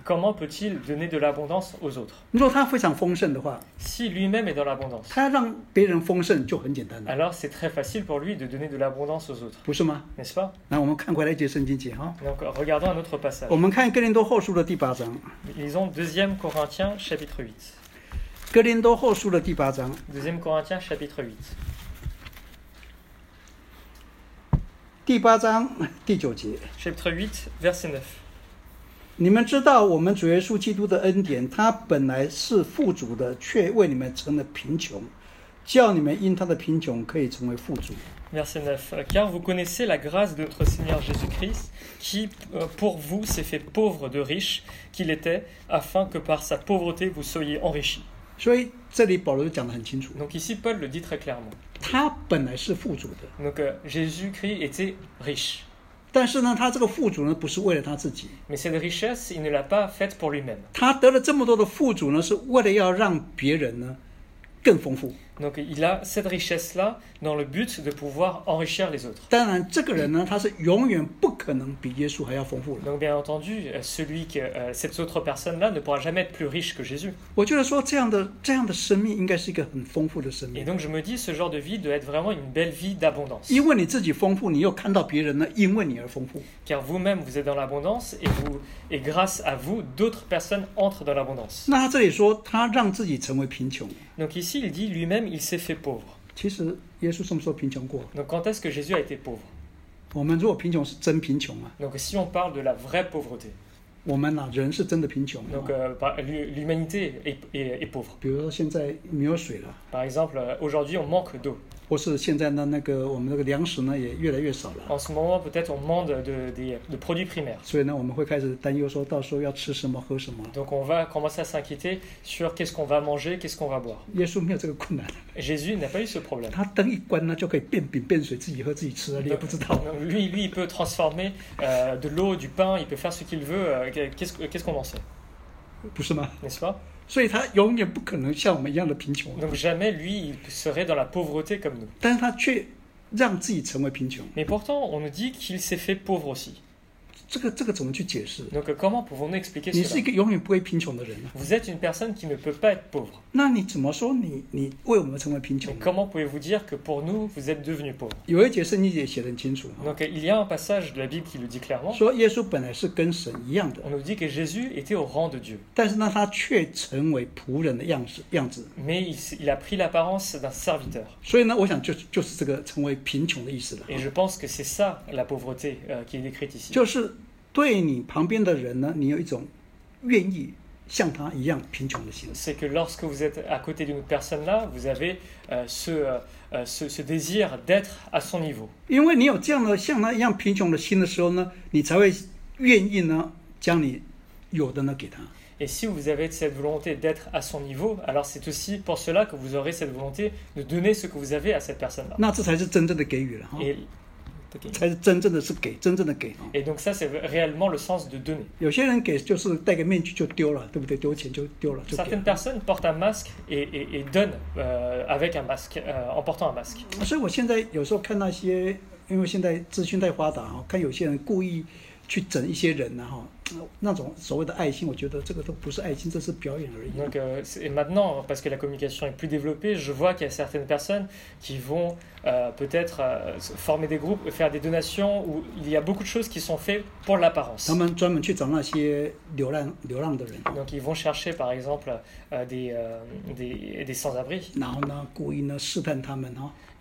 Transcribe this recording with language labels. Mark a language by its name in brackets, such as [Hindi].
[French] ？Comment peut-il donner de l'abondance aux autres? [Chinese] 如果他非常丰盛的话 [French] ，si lui-même est dans l'abondance, [Chinese] 他让别人丰盛就很简单了。 [French] Alors c'est très facile pour lui de donner de l'abondance aux autres. [Chinese] 不是吗 [French] ？N'est-ce pas? [Chinese] 那我们看回来一节圣经节哈。 [French] Donc regardons un autre passage. [Chinese] 我们看哥林多后书的第八章。 [French] Lisons deuxième Corinthiens chapitre 8. [Chinese] 哥林多后书的第八章。 [French] Deuxième Corinthiens, chapitre 8. [Chinese] 第八章第九节。 [French] Chapitre 8, verset 9. [Chinese] 你们知道我们主耶稣基督的恩典，他本来是富足的，却为你们成了贫穷，叫你们因他的贫穷可以成为富足。 [French] Verset 9. Car vous connaissez la grâce de notre Seigneur Jésus-Christ, qui pour vous s'est fait pauvre de riche qu'il était, afin que par sa pauvreté vous soyez enrichis. [Chinese] 所以这里保罗就讲得很清楚。 [French] Donc ici Paul le dit très clairement. [Chinese] 他本来是富足的。 [French] Donc Jésus-Christ était riche. [Chinese] 但是呢，他这个富足呢，不是为了他自己。 [French] Mais cette richesse, il ne l'a pas faite pour lui-même. [Chinese] 他得了这么多的富足呢，是为了要让别人呢更丰富。 [French] Donc il a cette richesse-là dans le but de pouvoir enrichir les autres. [Chinese] 当然，这个人呢，他是永远不可能比耶稣还要丰富了。 [French] Donc bien entendu, celui que cette autre personne-là ne pourra jamais être plus riche que Jésus. [Chinese] 我觉得说这样的生命应该是一个很丰富的生命。 [French] Et donc je me dis, ce genre de vie doit être vraiment une belle vie d'abondance. [Chinese] 因为你自己丰富，你又看到别人呢，因为你而丰富。 [French] Car vous-même vous êtes dans l'abondance et grâce à vous, d'autres personnes entrent dans l'abondance. [Chinese] 那他这里说，他让自己成为贫穷。 [French] Donc ici, il dit lui-même, il s'est fait pauvre. [Chinese] 其实耶稣什么时候贫穷过？ [French] Donc quand est-ce que Jésus a été pauvre? [Chinese] 我们如果贫穷是真贫穷啊。 [French] Donc si on parle de la vraie pauvreté. [Chinese] 我们啊，人是真的贫穷。 [French] Donc l'humanité est pauvre. [Chinese] 比如说现在没有水了。 [French] Par exemple, aujourd'hui, on manque d'eau. [Chinese] 或是现在呢，那个我们那个粮食呢也越来越少了。 [French] En ce moment, peut-être on manque de produits primaires. [Chinese] 所以呢，我们会开始担忧说到时候要吃什么喝什么。 [French] Donc on va commencer à s'inquiéter sur qu'est-ce qu'on va manger, qu'est-ce qu'on va boire. [Chinese] 耶稣没有这个困难。 [French] Jésus n'a pas eu ce problème. [Chinese] 他灯一关呢，就可以变饼变水，自己喝自己吃了，你也不知道。 [French] Lui il peut transformer de l'eau, du pain, il peut faire ce qu'il veut. Qu'est-ce qu'on en sait? [Chinese] 不是吗？ [French] N'est-ce pas？ [Chinese] 所以他永远不可能像我们一样的贫穷。 [French] Donc jamais lui il serait dans la pauvreté comme nous. [Chinese] 但是他却让自己成为贫穷。 [French] Mais pourtant on nous dit qu'il s'est fait pauvre aussi. [Chinese] 这个怎么去解释？ [French] Donc comment pouvons-nous expliquer cela? [Chinese] 你是一个永远不会贫穷的人。 [French] Vous êtes une personne qui ne peut pas être pauvre. [Chinese] 那你怎么说你为我们成为贫穷？ [French] Mais comment pouvez-vous dire que pour nous vous êtes devenu pauvre? [Chinese] 有一节圣经也写得很清楚。 [French] Donc il y a un passage de la Bible qui le dit clairement. [Chinese] 说耶稣本来是跟神一样的。 [French] On nous dit que Jésus était au rang de Dieu. [Chinese] 但是呢，他却成为仆人的样子。 [French] Mais il a pris l'apparence d'un serviteur. [Chinese] 所以呢，我想就是这个成为贫穷的意思了。 [French] Et je pense que c'est ça la pauvreté qui est décrite ici. [Chinese] 就是对你旁边的人呢，你有一种愿意像他一样贫穷的心。 [French] C'est que lorsque vous êtes à côté d'une personne là, vous avez ce désir d'être à son niveau. [Chinese] 因为你有这样的像他一样贫穷的心的时候呢，你才会愿意呢将你有的呢给他。 [French] Et si vous avez cette volonté d'être à son niveau, alors c'est aussi pour cela que vous aurez cette volonté de donner ce que vous avez à cette personne là. [Chinese] 那这才是真正的给予了。才是真正的是给，真正的给。 [French] Et donc ça c'est réellement le sens de donner. [Chinese] 有些人给就是戴个面具就丢了，对不对？丢钱就丢了。 [French] Certaines personnes portent un masque et donnent avec un masque, en portant un masque. [Chinese] 所以我现在有时候看那些，因为现在资讯太发达，看有些人故意去整一些人，然后那种所谓的爱心，我觉得这个都不是爱心，这是表演而已。 [French] Donc maintenant, parce que la communication est plus développée, je vois qu'il y a certaines personnes qui vont peut-être former des groupes, faire des donations, où il y a beaucoup de choses qui sont faites pour l'apparence. [Chinese] 他们专门去找那些流浪的人。 [French] Donc ils vont chercher, par exemple, des sans-abri. [Chinese] 然后呢，故意呢试探他们哦。